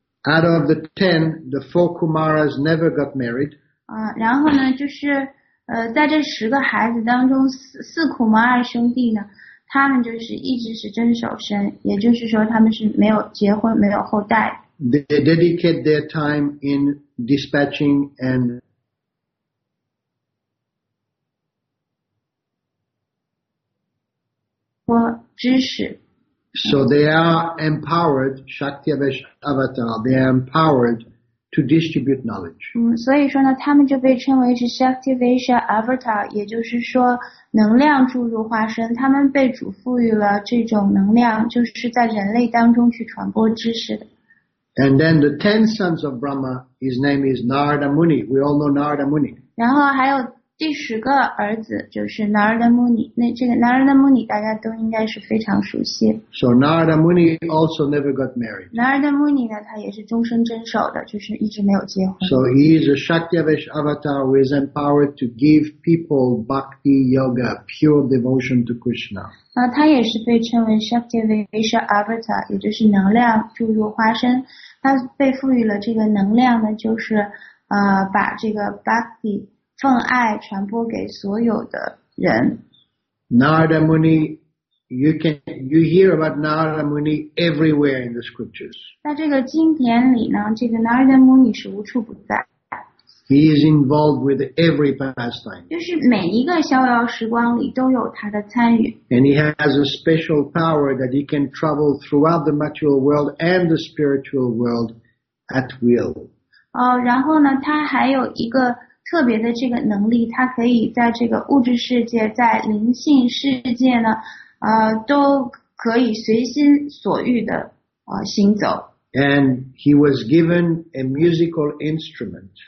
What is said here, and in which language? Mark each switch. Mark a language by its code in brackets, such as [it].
[en] Out of the 10, the four Kumaras never got married. [zh] 然后呢，就是。在这十个孩子当中，四库玛尔兄弟呢，他们就是一直是贞守身，也就是说他们是没有结婚，没有后代。 [en] They dedicate their time in dispatching and for [zh] 知识。 [en] So they are empowered, Shaktivesh avatar. They are empowered. To distribute knowledge. [zh] 所以说呢，他们就被称为是 Shaktivesha Avatar， 也就是说能量注入化身。他们被主赋予了这种能量，就是在人类当中去传播知识的。 [en] And then the 10 sons of Brahma, his name is Narada Muni. We all know Narada Muni. [zh] 然后还有第十个儿子就是 Narada Muni， 那这个 Narada Muni 大家都应该是非常熟悉。 [en] So Narada Muni also never got married. [zh] Narada Muni 呢，他也是终身贞守的，就是一直没有结婚。 [en] So he is a Shaktivesh avatar who is empowered to give people bhakti yoga, pure devotion to Krishna. [zh] 那他也是被称为 Shaktivesh avatar， 也就是能量注入化身。他被赋予了这个能量呢，就是把这个 bhakti。奉爱传播给所有的人。 [en] Narada Muni, you hear about Narada Muni everywhere in the scriptures. [zh] 那这个经典里呢，这个 Narada Muni 是无处不在。 [en] He is involved with every pastime. [zh] 就是每一个逍遥时光里都有他的参与。 [en] And he has a special power that he can travel throughout the material world and the spiritual world at will. [zh] 然后呢，他还有一个特别的这个能力，它可以在这个物质世界，在灵性世界呢，都可以随心所欲的行走。 [en] And he was given a musical instrument.